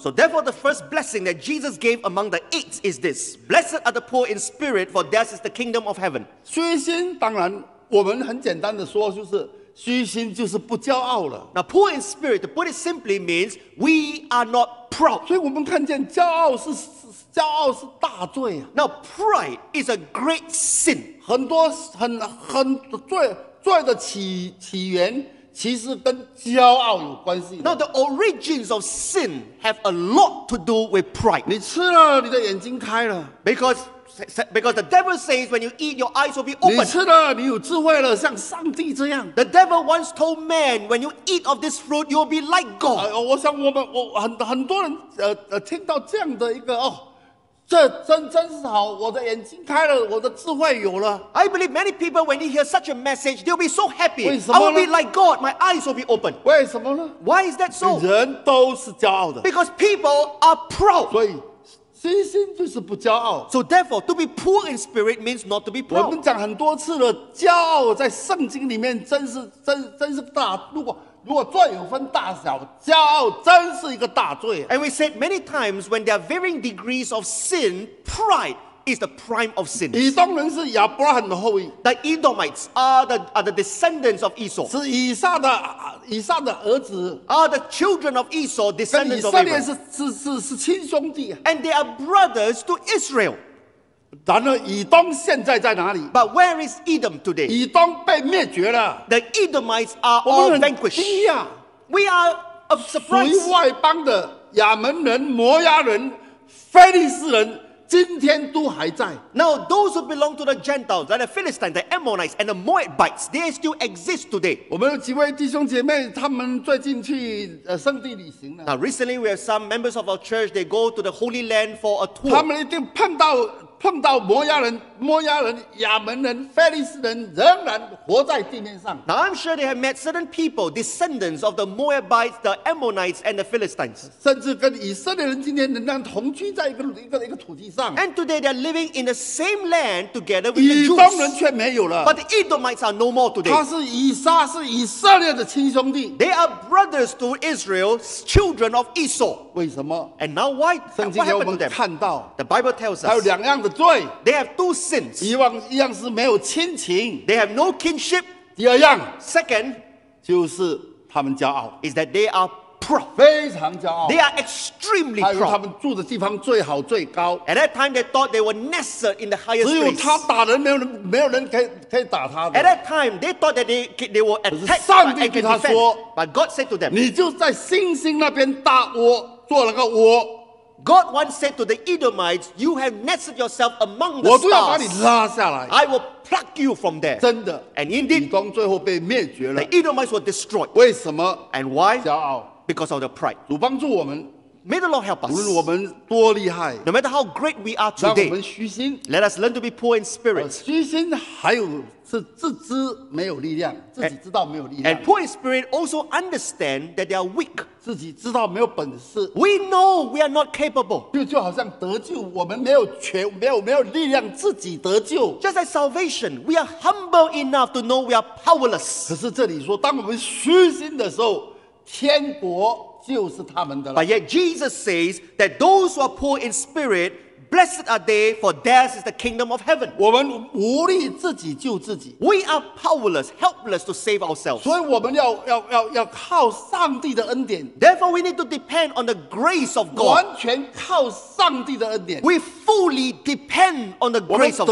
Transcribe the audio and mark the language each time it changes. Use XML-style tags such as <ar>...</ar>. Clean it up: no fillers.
<en>so therefore the first blessing that Jesus gave among the eight is this: blessed are the poor in spirit, for theirs is the kingdom of heaven.</en> <zh>虚心当然我们很简单的说就是虚心就是不骄傲了。</zh> <en>Now poor in spirit, to put it simply, means we are not proud.</en> <zh>所以我们看见骄傲是大罪。</zh> <en>Now pride is a great sin.</en> <zh>很多罪的起源 其实跟骄傲有关系的。</zh> <en>Now the origins of sin have a lot to do with pride.</en> <zh>你吃了你的眼睛开了。</zh> <en>Because the devil says when you eat your eyes will be opened.</en> <zh>你吃了你有智慧了, 像上帝这样。</zh> <en>The devil once told man when you eat of this fruit you'll be like God.</en> <zh>我想我们很多人听到这样的一个 这真是好,我的眼睛开了,我的智慧有了。</zh> <en>I believe many people when they hear such a message, they'll be so happy. I will be like God, my eyes will be open.</en> <zh>为什么呢?</zh> <en>Why is that so?</en> <zh>人都是骄傲的。</zh> <en>Because people are proud.</en> <zh>所以,信心就是不骄傲。</zh> <en>So therefore, to be poor in spirit means not to be proud.</en> <zh>我们讲很多次了,骄傲在圣经里面真是大,如果 如果罪有分大小，骄傲真是一个大罪啊！</zh> <en>And we said many times when there are varying degrees of sin, pride is the prime of sin.</en> <zh>以东人是亚伯拉罕的后裔。</zh> <en>The Edomites are the descendants of Esau.</en> <zh>是以撒的儿子。</zh> <en>Are the children of Esau descendants of Abraham?</en> <zh>跟以色列是亲兄弟啊！</zh> <en>And they are brothers to Israel.</en> <zh>然而以东现在在哪里?</zh> <en>But where is Edom today?</en> <zh>以东被灭绝了。</zh> <en>The Edomites are all vanquished.</en> <zh>我们很低啊。</zh> <en>We are of surprise.</en> <zh>属于外邦的亚门人、摩押人、非利士人今天都还在。</zh> <en>Now those who belong to the Gentiles, like the Philistines, the Ammonites, and the Moabites, they still exist today.</en> <zh>我们有几位弟兄姐妹，他们最近去圣地旅行了。</zh> <en>Now recently we have some members of our church, they go to the Holy Land for a tour.</en> <zh>他们一定碰到 碰到摩押人、亚门人、非利士人仍然活在地面上。</zh> <en>Now I'm sure they have met certain people, descendants of the Moabites, the Ammonites, and the Philistines.</en> <zh>甚至跟以色列人今天仍然同居在一个土地上。</zh> <en>And today they are living in the same land together with the Jews.</en> <zh>以东人却没有了。</zh> <en>But the Edomites are no more today.</en> <zh>他是以撒，是以色列的亲兄弟。</zh> <en>They are brothers to Israel, children of Esau.</en> <zh>为什么?</zh> <en>And now why?</en> <zh>圣经给我们看到,</zh> <en>the Bible tells us.</en> <zh>还有两样的罪,</zh> <en>they have two sins.</en> <zh>一样是没有亲情,</zh> <en>they have no kinship.</en> <zh>第二样,</zh> <en>second,</en> <zh>就是他们骄傲,</zh> <en>is that they are proud.</en> <zh>非常骄傲,</zh> <en>they are extremely proud.</en> <zh>还有他们住的地方最好最高,</zh> <en>at that time they thought they were nestled in the highest place.</en> <zh>只有他打人, 没有人可以打他的。</zh> <en>At that time they thought that they were attacked by angry defense. But God said to them,</en> <zh>你就在星星那边搭窝, 做了个窝。</zh> <en>God once said to the Edomites, you have nested yourself among the stars.</en> <zh>我都要把你拉下来。</zh> <en>I will pluck you from there.</en> <zh>真的。</zh> <en>And indeed,</en> <zh>以东最后被灭绝了。</zh> <en>The Edomites were destroyed.</en> <zh>为什么?</zh> <en>And why?</en> <zh>骄傲。</zh> <en>Because of the pride.</en> <zh>主帮助我们,</zh> <en>May the Lord help us.</en> <zh>无论我们多厉害,</zh> <en>no matter how great we are today,</en> <zh>让我们虚心,</zh> <en>let us learn to be poor in spirit.</en> <zh>虚心还有是自知没有力量,</zh> <en>and poor in spirit also understand that they are weak.</en> <zh>自己知道没有本事,</zh> <en>we know we are not capable.</en> <zh>就好像得救我们没有权没有力量,</zh> <en>just like salvation, we are humble enough to know we are powerless.</en> <zh>可是这里说, 当我们虚心的时候, 天国,</zh> <en>but yet Jesus says that those who are poor in spirit, blessed are they, for theirs is the kingdom of heaven. We are powerless, helpless to save ourselves.</en> <zh>所以我们要靠上帝的恩典,</zh> <en>therefore, we need to depend on the grace of God.</en> <zh>完全靠上帝的恩典,</zh> <en>we fully depend on the grace of God.</en>